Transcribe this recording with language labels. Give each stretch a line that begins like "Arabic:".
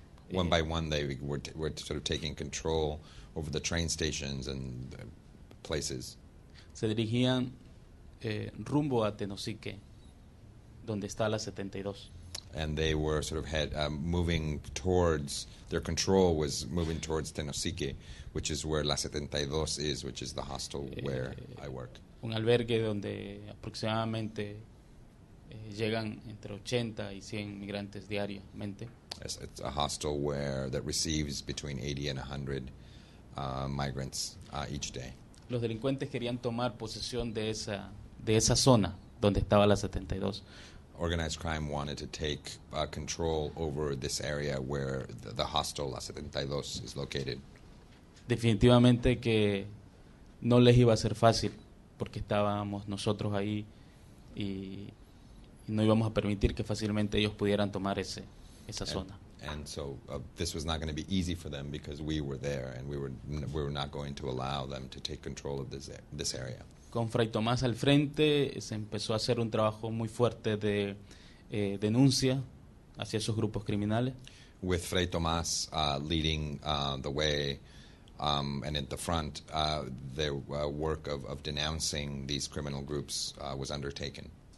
English: One by one, they were sort of taking control over the train stations and the places.
Spanish: Se dirigían rumbo a Tenosique, donde está la 72.
English: And they were sort of moving towards, their control was moving towards Tenosique, which is where La 72 is, which is the hostel where I work.
Spanish: Un albergue donde aproximadamente llegan entre 80 y 100 migrantes diariamente.
English: It's a hostel that receives between 80 and 100 migrants each day.
Spanish: Los delincuentes querían tomar posesión de esa zona donde estaba La 72.
English: Organized crime wanted to take control over this area where the hostel La 72 is located.
Spanish: Definitivamente que no les iba a ser fácil porque estábamos nosotros ahí y no íbamos a permitir que fácilmente ellos pudieran tomar esa zona.
English: And so this was not going to be easy for them because we were there and we were not going to allow them to take control of this area.
Spanish: Con Fray Tomás al frente se empezó a hacer un trabajo muy fuerte de denuncia hacia esos grupos criminales.
English: With Fray Tomás leading the way and at the front, the work of denouncing these criminal groups was undertaken.